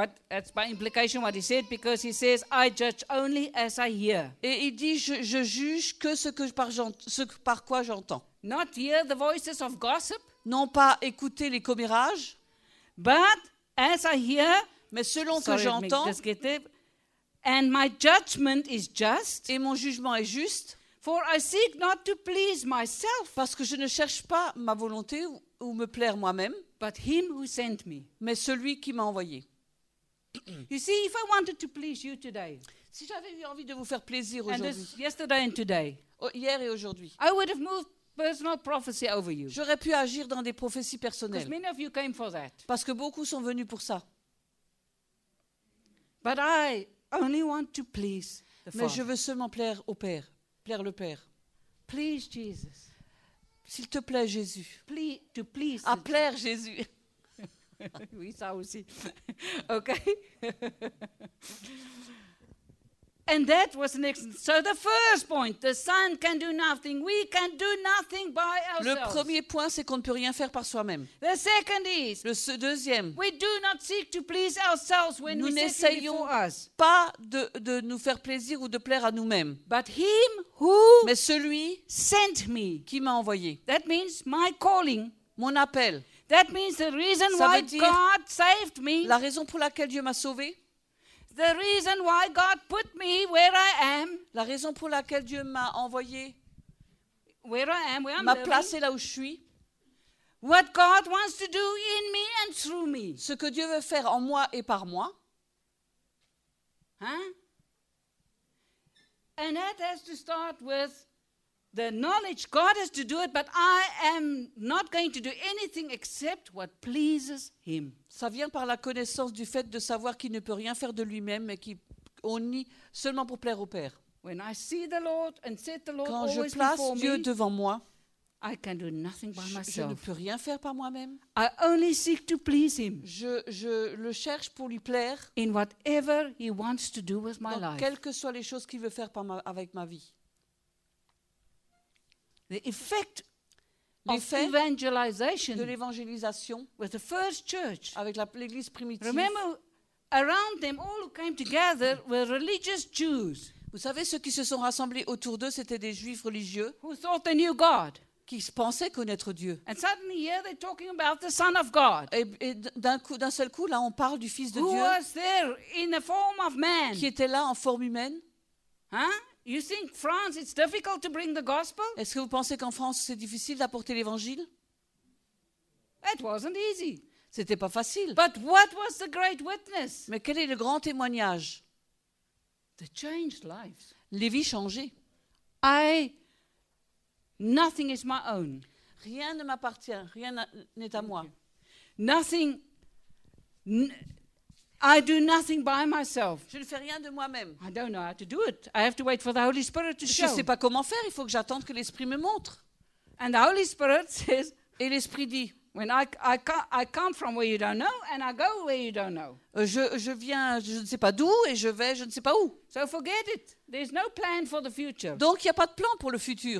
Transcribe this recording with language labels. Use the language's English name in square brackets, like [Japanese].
[English] That's by implication what he said, because he says I judge only as I hear. [French] Et il dit je juge que par quoi j'entends. [English] Not hear the voices of gossip. [French] Non pas écouter les commérages. [English] But as I hear, [French] mais selon que j'entends. [English] And my judgment is just. [French] Et mon jugement est juste. [English] For I seek not to please myself. [French] Parce que je ne cherche pas ma volonté ou me plaire moi-même. [English] But him who sent me. [French] Mais celui qui m'a envoyé. [English] You see, if I wanted to please you today. [French] Si j'avais eu envie de vous faire plaisir aujourd'hui. [English] And yesterday and today. [French] Hier et aujourd'hui. [English] I would have moved personal prophecy over you. [French] J'aurais pu agir dans des prophéties personnelles. [English] Because many of you came for that. [French] Parce que beaucoup sont venus pour ça. [English] But I only want to please the [French] Mais Father. Je veux seulement plaire au Père. Plaire le Père. [English] Please Jesus. [French] S'il te plaît Jésus. [English] To please. [French] À plaire Jésus. Oui, ça aussi. OK. [English] And that was the next. So the first point, the Son can do nothing. We can do nothing by ourselves. [French] Le premier point, c'est qu'on ne peut rien faire par soi-même. [English] The second is. [French] Le deuxième. [English] We do not seek to please ourselves when [French] nous [English] we set before us. [French] Nous n'essayons pas de nous faire plaisir ou de plaire à nous-mêmes. [English] But him who. [French] Mais celui. [English] Sent me. [French] Qui m'a envoyé. [English] That means my calling. [French] Mon appel. [English] That means the reason [French] ça [English] why God saved me. [French] La raison pour laquelle Dieu m'a sauvé. [English] The reason why God put me where I am. [French] La raison pour laquelle Dieu m'a envoyé. [English] Where I am, where I'm [French] m'a placé là où je suis. [English] What God wants to do in me and through me. [French] Ce que Dieu veut faire en moi et par moi. Hein? [English] And that has to start with the knowledge God has to do it, but I am not going to do anything except what pleases him. [French] Ça vient par la connaissance du fait de savoir qu'il ne peut rien faire de lui-même, mais qu'on nie seulement pour plaire au Père. [English] When I see the Lord and set the Lord [French] quand je place Dieu devant moi, [English] I can do nothing by myself. [French] Je ne peux rien faire par moi-même. [English] I only seek to please him. [French] Je le cherche pour lui plaire. [English] In whatever he wants to do with my [French] dans [English] life. [French] Quelles que soient les choses qu'il veut faire avec ma vie. [English] The effect of evangelization [French] de l'évangélisation [English] with the first church. [French] Avec l'église primitive. [English] Remember, around them, all who came together were religious Jews. [French] Vous savez, ceux qui se sont rassemblés autour d'eux, c'était des Juifs religieux. [English] Who thought they knew God. [French] Qui pensaient connaître Dieu. [English] And suddenly here they're talking about the Son of God. [French] Et d'un seul coup, là, on parle du Fils de [English] who [French] Dieu. [English] Who was there in the form of man. [French] Qui était là en forme humaine. Hein? [English] You think France it's difficult to bring the gospel? [French] Est-ce que vous pensez qu'en France c'est difficile d'apporter l'évangile? [English] It wasn't easy. [French] C'était pas facile. [English] But what was the great witness? [French] Mais quel est le grand témoignage? [English] They changed lives. [French] Les vies changées. [English] I nothing is my own. [French] Rien ne m'appartient, rien n'est à moi. [English] Nothing I do nothing by myself. [French] Je ne fais rien de moi-même. [English] I don't know how to do it. I have to wait for the Holy Spirit to show. [French] Je ne sais pas comment faire. Il faut que j'attende que l'Esprit me montre. [English] And the Holy Spirit says. [French] Et l'Esprit dit. [English] When I come from where you don't know and I go where you don't know. [French] Je viens, je ne sais pas d'où et je vais, je ne sais pas où. [English] So forget it. There's no plan for the future. [French] Donc il n'y a pas de plan pour le futur.